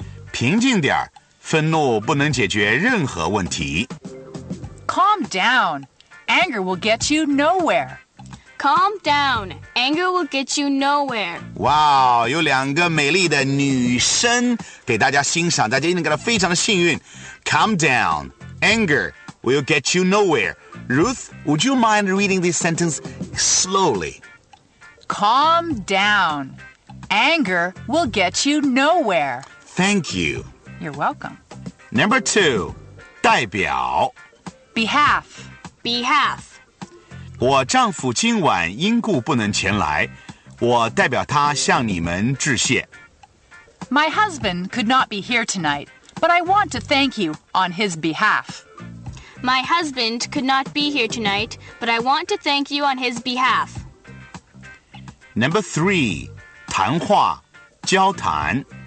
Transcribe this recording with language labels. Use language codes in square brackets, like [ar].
[zh] 平静点儿，愤怒不能解决任何问题。 [en] Calm down. Anger will get you nowhere. Calm down. Anger will get you nowhere. [zh] Wow, 有两个美丽的女生给大家欣赏，大家应该感到非常的幸运。 [en] Calm down. Anger will get you nowhere. Ruth, would you mind reading this sentence slowly? Calm down. Anger will get you nowhere. Thank you. You're welcome. Number two, [zh] 代表 [en] Behalf. Behalf. [zh] 我丈夫今晚因故不能前来，我代表他向你们致谢。 [en] My husband could not be here tonight, but I want to thank you on his behalf. My husband could not be here tonight, but I want to thank you on his behalf. Number three, [zh] 谈话交谈